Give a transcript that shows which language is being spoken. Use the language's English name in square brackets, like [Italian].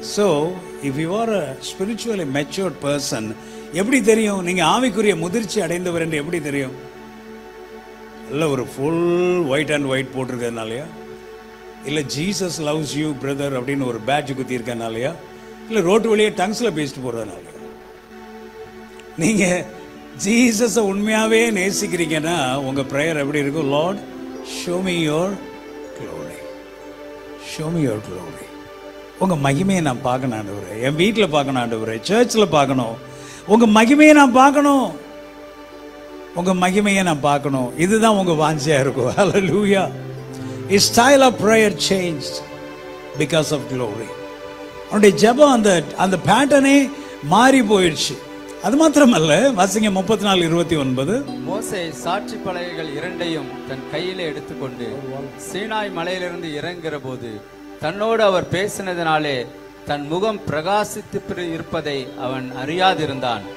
[English] so if you are a spiritually matured person, [Tamil] எப்படி தெரியும் நீங்கள் ஆவிக்குரிய முதிர்ச்சி அடைந்தவர் என்று எப்படி தெரியும், இல்லை ஒரு ஃபுல் ஒயிட் அண்ட் ஒயிட் போட்டிருக்கிறதுனாலயா, இல்லை ஜீசஸ் லவ்ஸ் யூ பிரதர் அப்படின்னு ஒரு பேட்ச் குத்திருக்கனாலயா, இல்லை ரோட்டு வழியே டங்ஸில் பேசிட்டு போகிறதுனால, நீங்கள் ஜீசஸை உண்மையாகவே நேசிக்கிறீங்கன்னா உங்கள் ப்ரேயர் எப்படி இருக்கும், Lord [English] Show me your glory. [Tamil] Show me your glory. உங்கள் மகிமையை நான் பார்க்கணும் ஆண்டவர், என் வீட்டில் பார்க்கணும் ஆண்டவர், சர்ச்சில் பார்க்கணும், உங்கள் மகிமையை நான் பார்க்கணும், உங்கள் மகிமையை நான் பார்க்கணும், இதுதான் உங்கள் வாஞ்சையாக இருக்கும். Hallelujah. [English] His style of prayer changed because of glory. [Tamil] அவனுடைய ஜபம் அந்த பேட்டர்னே மாறி போயிடுச்சு. அது மாத்திரமல்ல, வாசிங்க 34:29. மோசே சாட்சி பலகைகள் இரண்டையும் தன் கையிலே எடுத்துக்கொண்டு சீனாய் மலையிலிருந்து இறங்குற போது தன்னோடு அவர் பேசினதினாலே தன் முகம் பிரகாசித்து இருப்பதை அவன் அறியாதிருந்தான்.